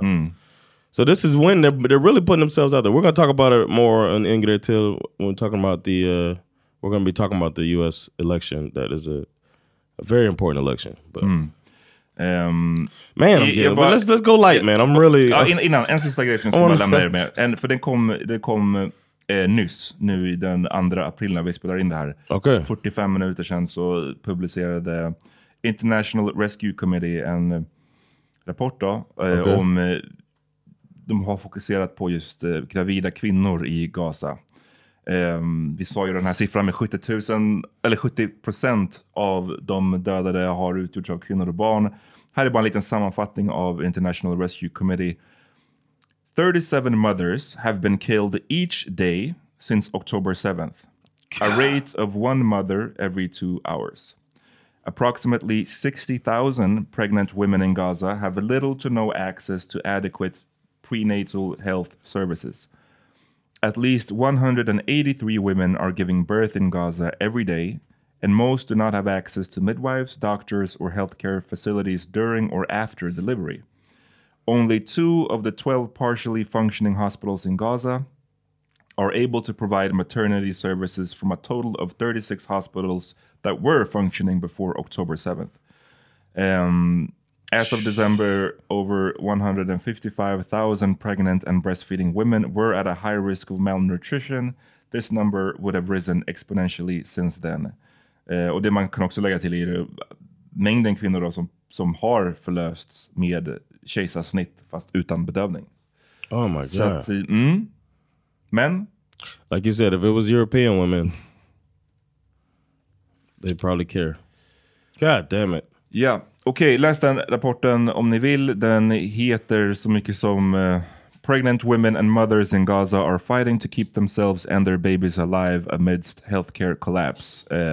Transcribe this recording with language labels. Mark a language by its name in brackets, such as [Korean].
[English] Mm. So this is when they're really putting themselves out there. We're gonna talk about it more on Ingrid Till when we're talking about the, we're gonna be talking about the US election. That is a very important election. But. Mm. Man, yeah, but let's go light, yeah, man. I'm really [Swedish] innan en sista grej som jag lämnar er med. En, för den kom nyss, nu i den 2 april när vi spelar in det här. [English] Okay. [Swedish] 45 minuter sedan så publicerade International Rescue Committee en rapport då, okay. om de har fokuserat på just gravida kvinnor i Gaza. Vi sa ju den här siffran med 70,000 eller 70% av de dödade har utgjorts av kvinnor och barn. Här är bara en liten sammanfattning av International Rescue Committee. [English] 37 mothers have been killed each day since October 7th. A rate of one mother every 2 hours. Approximately 60,000 pregnant women in Gaza have little to no access to adequate prenatal health services. At least 183 women are giving birth in Gaza every day, and most do not have access to midwives, doctors, or healthcare facilities during or after delivery. Only 2 of the 12 partially functioning hospitals in Gaza are able to provide maternity services from a total of 36 hospitals that were functioning before October 7th. As of December, over 155,000 pregnant and breastfeeding women were at a high risk of malnutrition. This number would have risen exponentially since then. [Swedish] Och det man kan också lägga till är mängden kvinnor då som har förlösts med kejsarsnitt fast utan bedövning. [English] Oh my god. [Swedish] Så att, men [English] like you said, if it was European women they probably care. God damn it. [Swedish] Ja. Yeah. Okej, okay, läs den rapporten om ni vill. Den heter så mycket som [English] Pregnant women and mothers in Gaza are fighting to keep themselves and their babies alive amidst healthcare collapse.